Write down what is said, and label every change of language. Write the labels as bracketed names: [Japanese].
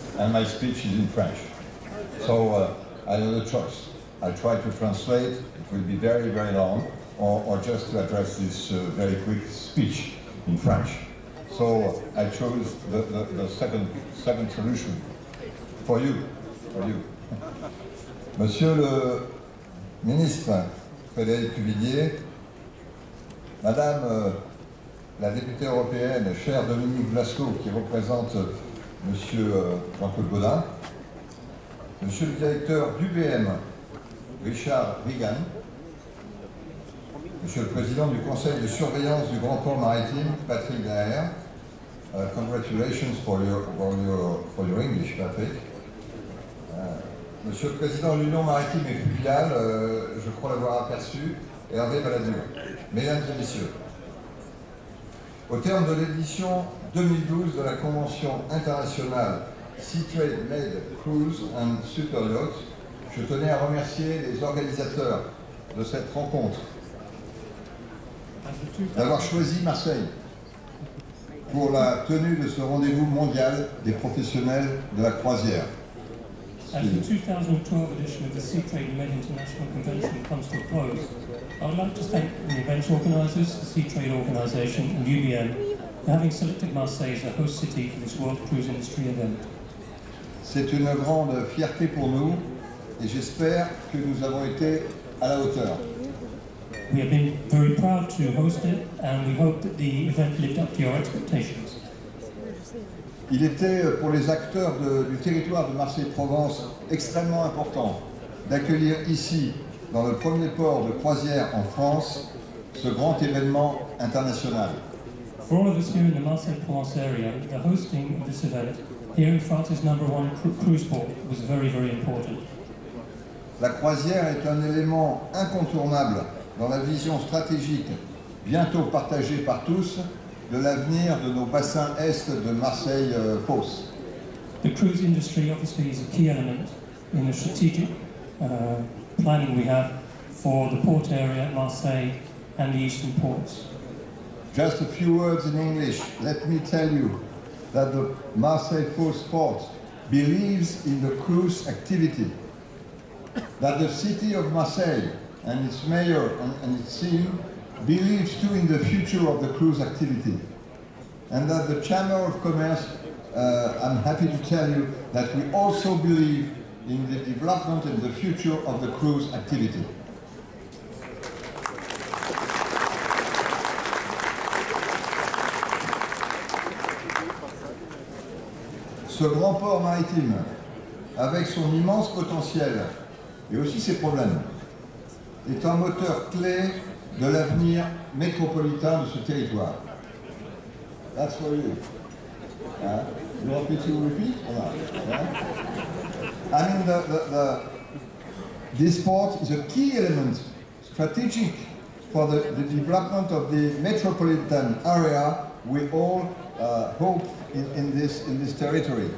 [English] And my speech is in French. So I have a choice. I try to translate, it will be very, very long, or just to address this very quick speech in French. So I chose the second solution for you. For you. [French] Monsieur le ministre Frédéric Cuvillier, Madame la députée européenne, chère Dominique Blasco, qui représente Monsieur Jean-Claude Gaudin, Monsieur le directeur d'UBM, Richard Reagan, Monsieur le président du Conseil de surveillance du Grand Port Maritime, Patrick Daher, [English] congratulations for your English, Patrick. [French] Monsieur le président de l'Union maritime et fluviale, je crois l'avoir aperçu, Hervé Balladur. Mesdames et messieurs, au terme de l'édition 2012 de la Convention internationale Situated Med Cruise and Super Yacht, je tenais à remercier les organisateurs de cette rencontre d'avoir choisi Marseille pour la tenue de ce rendez-vous mondial des professionnels de la croisière. [English] As the 2012 edition of the Sea Trade Med International Convention comes to a close, I would like to thank the event organisers, the Sea Trade Organisation and UBM for having selected Marseille as the host city for this World Cruise Industry event. [French] C'est une grande fierté pour nous et j'espère que nous avons été à la hauteur. [English] We have been very proud to host it and we hope that the event lived up to your expectations. [French] Il était pour les acteurs du territoire de Marseille-Provence extrêmement important d'accueillir ici, dans le premier port de croisière en France, ce grand événement international. [English] For all of us here in the Marseille-Provence area, the hosting of this event here in France's number one cruise port was very, very important. [French] La croisière est un élément incontournable dans la vision stratégique, bientôt partagée par tous, de l'avenir de nos bassins est de Marseille-Fosse. [English] The cruise industry obviously is a key element in the strategic planning we have for the port area at Marseille and the eastern ports. Just a few words in English. Let me tell you that the Marseille-Fosse port believes in the cruise activity, that the city of Marseille and its mayor and its team believes too in the future of the cruise activity, and that the Chamber of Commerce, I'm happy to tell you that we also believe in the development and the future of the cruise activity. [French] Ce grand port maritime, avec son immense potentiel et aussi ses problèmes, est un moteur clé de l'avenir métropolitain de ce territoire. [English] That's for you. You want me to repeat or not? Yeah? I mean, this port is a key element, strategic, for the development of the metropolitan area we all hope in this territory.